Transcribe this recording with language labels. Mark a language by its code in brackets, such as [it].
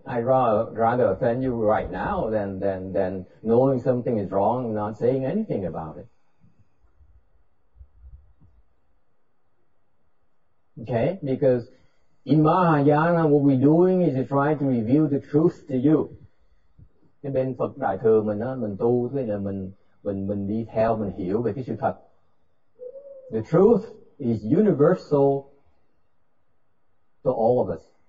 [en] I'd rather offend you right now than knowing something is wrong and not saying anything about it. Okay? Because in Mahayana, what we're doing is we're trying to reveal the truth to you. [vi] Cái bên Phật Đại Thừa mình á, mình tu, thế là mình đi theo, mình hiểu về cái sự thật. [en] The truth is universal to all of us.